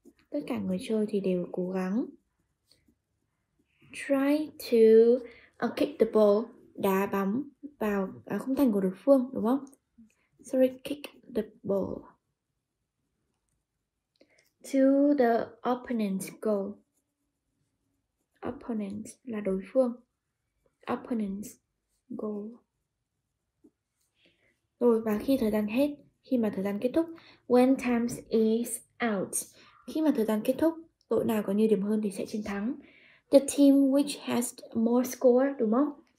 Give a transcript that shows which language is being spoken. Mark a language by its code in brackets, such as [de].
[vi] Tất cả người chơi thì đều cố gắng [en] try to kick the ball, [vi] đá bóng vào khung thành của đối phương, đúng không? [en] Sorry, kick the ball to the opponent's goal. [vi] Opponent là đối phương. [en] Opponent's goal. [vi] Rồi, và khi thời gian hết khi mà thời gian kết thúc. [en] When time is out, [vi] khi mà thời gian kết thúc, đội nào có nhiều điểm hơn thì sẽ chiến thắng. [en] The team which has more score, [vi] đúng không?